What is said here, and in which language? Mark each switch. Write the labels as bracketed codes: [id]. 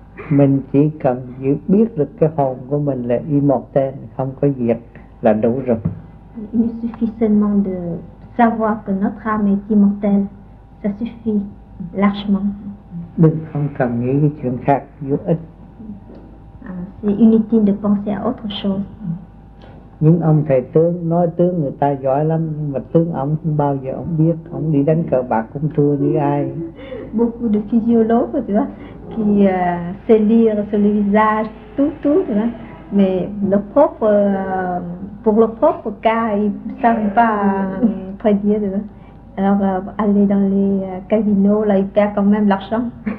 [vi] Mình chỉ cần biết được cái hồn của mình là immortel, không có diệt là đủ rồi. [fr] Il suffit seulement de savoir que notre âme est immortelle, ça suffit largement. [vi] Đừng không cần nghĩ cái chuyện khác vô ích. [fr] C'est inutile de penser à autre chose. [vi] Những ông thầy tướng nói tướng người ta giỏi lắm, nhưng mà tướng ông không bao giờ ông biết, ông đi đánh cờ bạc cũng thua như ai. [fr] Beaucoup de physiologues, tu vois, qui sait lire sur le visage, tout, tu vois, Mais pour le pauvre gars, il ne sait pas dire. Alors, aller dans les casinos, là, il perd quand même l'argent.